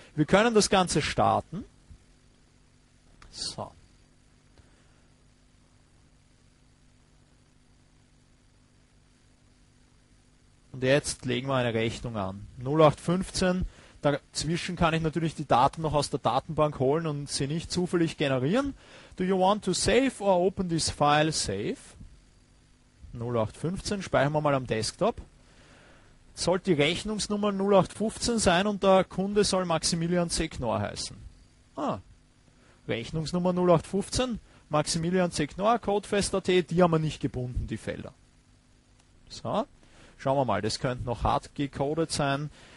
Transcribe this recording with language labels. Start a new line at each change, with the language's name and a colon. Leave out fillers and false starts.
German: Wir können das Ganze starten. So. Und jetzt legen wir eine Rechnung an. 0815. Dazwischen kann ich natürlich die Daten noch aus der Datenbank holen und sie nicht zufällig generieren.
English: Do you want to save or open this file?
German: Save. 0815, speichern wir mal am Desktop. Sollte die Rechnungsnummer 0815 sein und der Kunde soll Maximilian C. Knorr heißen. Ah, Rechnungsnummer 0815, Maximilian C. Knorr, codefest.at, die haben wir nicht gebunden, die Felder. So, schauen wir mal, das könnte noch hart gecodet sein.